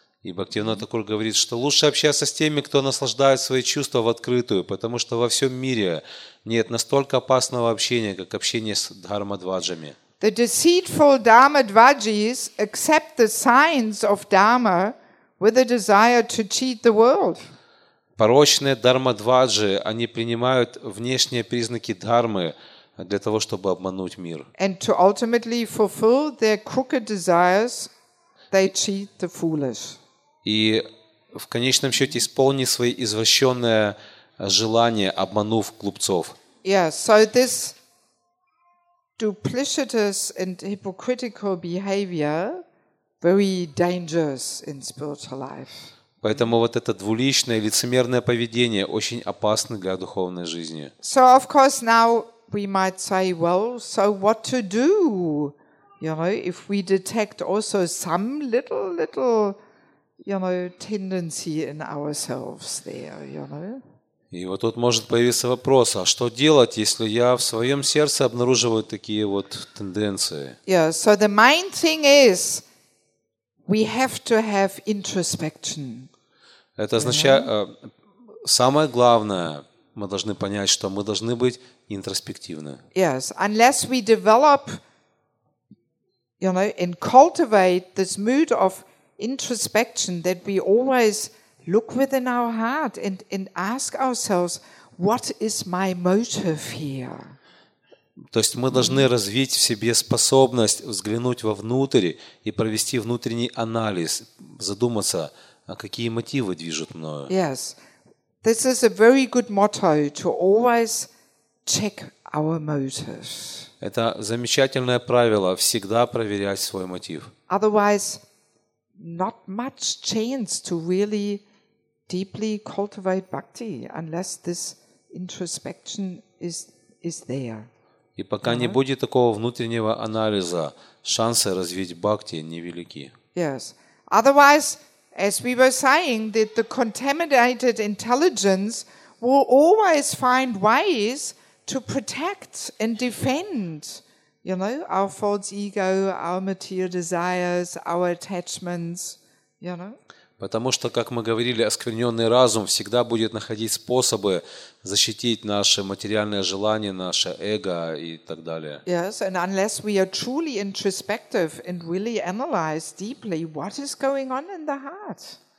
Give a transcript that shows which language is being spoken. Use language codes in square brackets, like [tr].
[ru] И Бхактивинода Такур говорит, что лучше общаться с теми, кто наслаждает свои чувства в открытую, потому что во всем мире нет настолько опасного общения, как общение с дхармадваджами. [en] The deceitful dharmadvajis accept the signs of dharma with a desire to cheat the world. [ru] Порочные дхармадваджи, они принимают внешние признаки дхармы для того, чтобы обмануть мир. [en] And to ultimately fulfill their crooked desires, they cheat the foolish. [ru] И в конечном счете исполни свои извращенные желания, обманув глупцов. [en] Yeah, so this duplicitous and hypocritical behavior very dangerous in spiritual life. [ru] Поэтому вот это двуличное, лицемерное поведение очень опасно для духовной жизни. [en] So of course now we might say, well, so what to do? You know, if we detect also some little you know, tendency in ourselves there, you know. [ru] И вот тут может появиться вопрос, а что делать, если я в своем сердце обнаруживаю такие вот тенденции? [en] Yeah, so the main thing is we have to have introspection. [ru] Это означает, самое главное, мы должны понять, что мы должны быть интроспективны. [en] Yes, unless we develop, you know, and cultivate this mood of introspection that we always look within our heart and ask ourselves, what is my motive here? [ru] То есть мы должны развить в себе способность взглянуть вовнутрь и провести внутренний анализ, задуматься, а какие мотивы движут мною. [en] Yes. This is a very good motto to always check our motives. [ru] Это замечательное правило всегда проверять свой мотив. [en] Otherwise not much chance to really deeply cultivate bhakti unless this introspection is there. [ru] И пока не будет такого внутреннего анализа, шансы развить бхакти невелики. [en] Yes. Otherwise, as we were saying, that the contaminated intelligence will always find ways to protect and defend, you know, our false ego, our material desires, our attachments, you know. [ru] Потому что, как мы говорили, оскверненный разум всегда будет находить способы защитить наши материальные желания, наше эго и так далее. [en] Yes, and unless we are truly introspective and really analyze deeply what is going on in the heart.